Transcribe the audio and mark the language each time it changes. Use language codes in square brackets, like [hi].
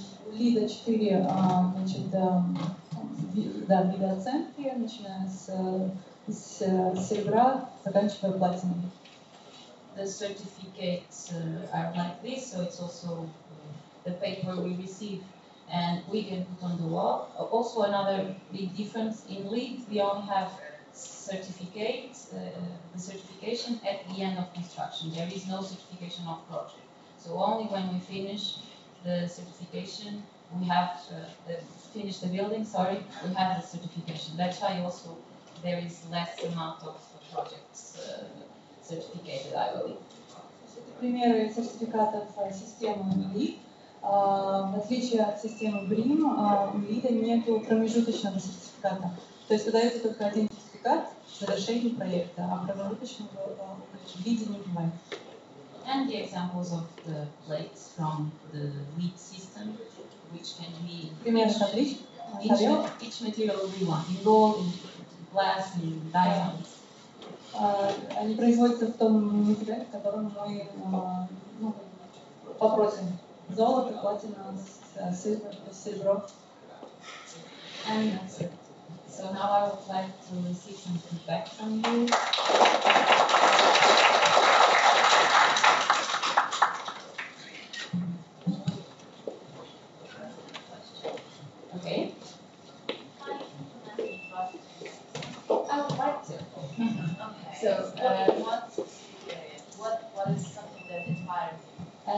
[ru] Лида 4, значит, да, вида оценки, начиная с серебра, заканчивая платиной. [en] The certificates are like this, so it's also the paper we receive and we can put on the wall. Also another big difference in LEED, we only have certificates, the certification at the end of construction. There is no certification of project. So only when we finish the certification, we have finished the building, sorry, we have the certification. That's why also there is less amount of projects certificated, I believe. [ru] Примеры сертификатов системы LEED. В отличие от системы BREEAM, у LEED нет промежуточного сертификата. То есть выдается только один сертификат в завершении проекта, а промежуточного LEED не бывает. [en] And the examples of the plates from the LEED system, which can be each material will be one, in gold, in glass, in diamonds. [ru] Они производятся в том материале, в котором мы попросим. Золото, платина, серебро. [en] And that's it. So now I would like to receive some feedback from you. So, what is something that inspires you?